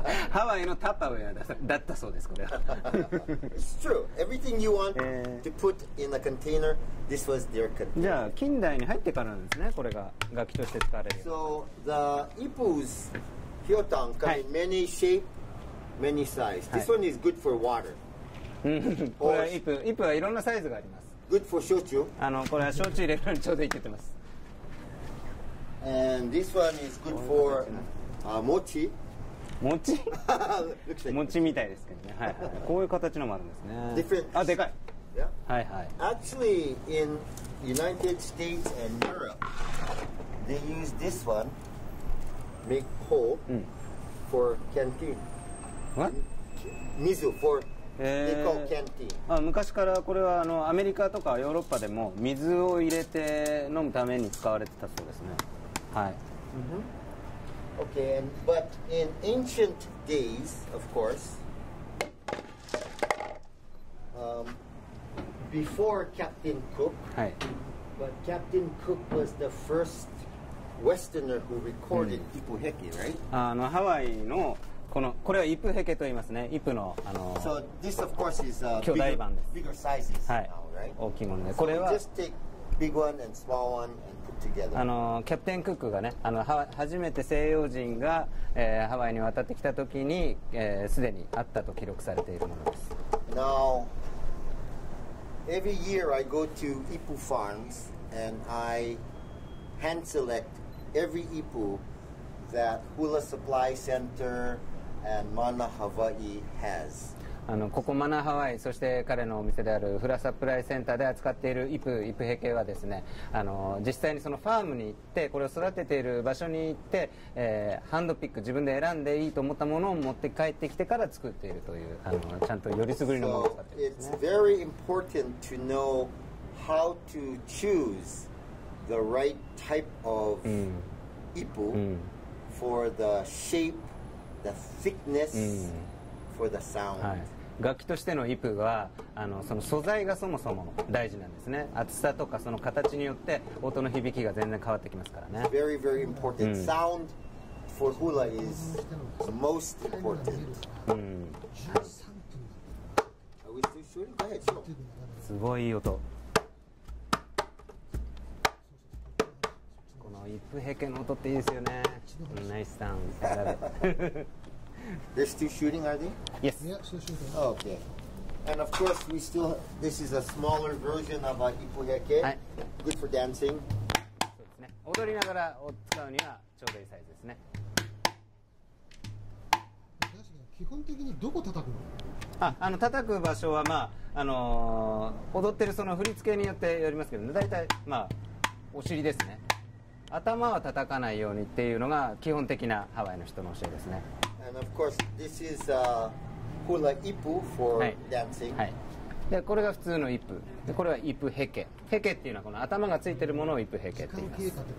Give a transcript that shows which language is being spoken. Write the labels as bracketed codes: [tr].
[ja] Hawaii のタッパーウェアだったそうです、これは。 [en] It's true. Everything you want to put in a container, this was their container. [ja] じゃあ、近代に入ってからですね、これが楽器として使われる。 [en] So, the Ipu's Hyotan come in many shape, many size. This one is good for water. [ja] これは Ipu はいろんなサイズがあります。 [en] Good for 焼酎。 [ja] これは焼酎入れるのにちょうどいいって言ってます。 [en] And this one is good for mochi. [ja] Mochi? Mochi みたいですけどね。はいはい。こういう形のもあるんですね。 [en] Different. [ja] あ、でかい。 [en] Yeah. [ja] はいはい。 [en] Actually, in United States and Europe, they use this one make hole for canteen. What? Mizu for they call canteen. [ja] 昔からこれはアメリカとかヨーロッパでも水を入れて飲むために使われてたそうですね。はい。 Mm-hmm. [en] Okay, and, but in ancient days, of course, before Captain Cook,、 [ja] はい、 [en] but Captain Cook was the first Westerner who recorded Ipu Heke, right? [ja] ハワイのこのこれはイプヘケと言いますね。イプの [en] So this of course is a [ja] 巨大版です。 [en] Bigger sizes now, right? [ja] 大きいものです。これは、 [en] so、just take big one and small one. [ja] キャプテン・クックがね初めて西洋人が、ハワイに渡ってきた時にすで、にあったと記録されているものです。 [en] Now every year I go to Ipu farms and I hand select every Ipu that Hula Supply Center and Mana Hawaii has。 [ja] ここマナハワイ、そして彼のお店であるフラサプライセンターで扱っているイプヘケはですね、実際にそのファームに行ってこれを育てている場所に行って、ハンドピック自分で選んでいいと思ったものを持って帰ってきてから作っているという、ちゃんとよりすぐりのものを使っているんです [en] ね。 So, it's very important to know how to choose the right type of ipu for the shape, the thickness、for the sound. [ja] はい、楽器としてのイプはその素材がそもそも大事なんですね。厚さとかその形によって音の響きが全然変わってきますからね。 [en] Very, very important. Sound for hula is most important. Are we still shooting? Go ahead, show. [ja] すごいいい音。このイプヘケの音っていいですよね。 [en] Nice sound. They're still shooting, are they? Yes. Yeah, still shooting. Oh, okay. And of course, we still have, this is a smaller version of a ipu heke. Good for dancing. [ja] そうですね。踊りながら使うにはちょうどいいサイズですね。基本的にどこ叩くの？叩く場所は踊ってるその振り付けによってよりますけど、ね、大体お尻ですね。頭は叩かないようにっていうのが基本的なハワイの人の教えですね。 And of course, this is a hula ipu for dancing. はい。で、これが普通のイプ。で、これはイプヘケ。ヘケっていうのはこの頭がついてるものをイプヘケって言います。